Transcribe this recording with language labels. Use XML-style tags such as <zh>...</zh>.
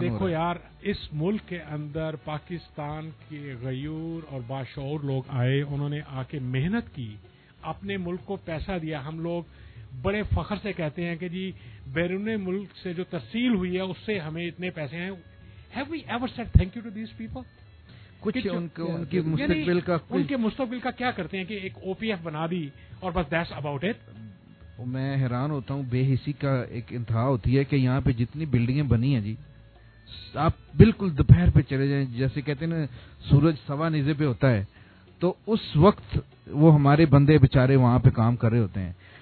<ur>دیکھو یار اس ملک کے اندر پاکستان کے غیور اور باشعور لوگ آئے, انہوں نے آ کے محنت کی, اپنے ملک کو پیسہ دیا. ہم لوگ بڑے فخر سے کہتے ہیں کہ جی بیرون ملک سے جو ترسیل ہوئی ہے اس سے ہمیں اتنے پیسے ہیں.</ur> <en>Have we ever said thank you to these people?</en> <ur>کچھ ان کے مستقبل کا, ان کے مستقبل کا کیا کرتے ہیں کہ ایک او پی ایف بنا دی اور بس</ur> <en>That's about it.</en> <ur>میں حیران ہوتا ہوں, بے حسی کا ایک انتہا ہوتی ہے کہ یہاں پہ جتنی بلڈنگیں بنی ہیں جی, آپ بالکل دوپہر پہ چلے جائیں, جیسے کہتے ہیں نا سورج سوا نیزے پہ ہوتا ہے, تو اس وقت وہ ہمارے بندے بےچارے وہاں پہ کام کر رہے ہوتے ہیں.</ur>